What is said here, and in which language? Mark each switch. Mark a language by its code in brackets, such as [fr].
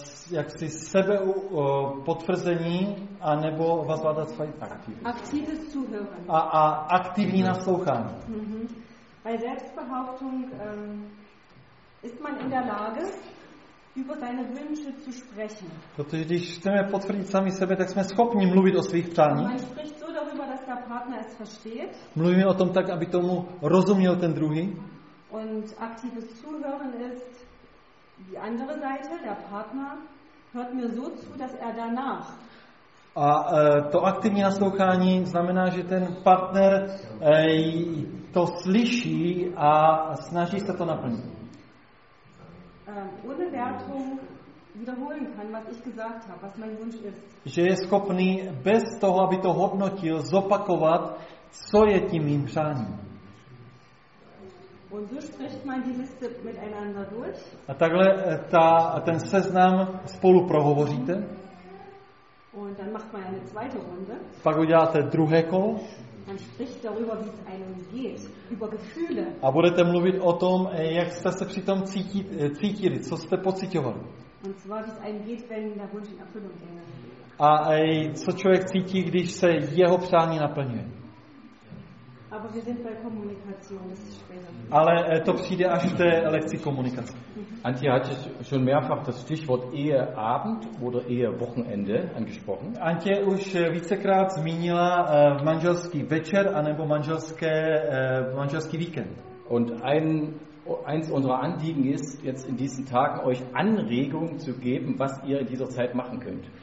[de] jaksi sebe potvrzení a nebo vás vláda svají aktivní. Aktivní zuhören. [cs] A aktivní naslouchání. Mhm. [de] Bei Selbstbehauptung ist man in der Lage über seine Wünsche zu sprechen. [cs] Protože když chceme potvrdit sami sebe, tak jsme schopni mluvit o svých přáních. [de] Man spricht so darüber, dass der Partner es versteht. [cs] Mluvíme o tom tak, aby tomu rozuměl ten druhý. [de] Und aktives Zuhören ist die andere Seite, der Partner hört mir so zu, dass er danach. [cs] A to aktivní naslouchání znamená, že ten partner to slyší a snaží se to naplnit. [de] Ohne Wertung wiederholen kann, was ich gesagt habe, was mein Wunsch ist. [cs] Že je schopný bez toho, aby to hodnotil, zopakovat, co je tím mým přáním. [de] Und so spricht man die Liste miteinander durch. [cs] A takhle ten seznam spolu prohovoříte. [de] Und dann macht man eine zweite Runde. [cs] Pak uděláte druhé kolo. [de] Man spricht darüber, wie es einem geht, über Gefühle. [cs] A budete mluvit o tom, jak jste se přitom cítili, co jste pocitovali. [de] Und zwar, wie es einem geht, wenn der Wunsch in Erfüllung ginge. [cs] A co člověk cítí, když se jeho přání naplňuje. [de] Aber wir sind bei Kommunikation, das ist später. [cs] Ale to přijde až v té lekci komunikace. [de] Antje hat schon mehrfach das Stichwort Eheabend oder Ehewochenende angesprochen. [cs] Antje už vícekrát zmínila manželský večer anebo manželský víkend. [de] Und eins unserer Anliegen ist, jetzt in diesen Tagen euch Anregungen zu geben, was ihr in dieser Zeit machen könnt.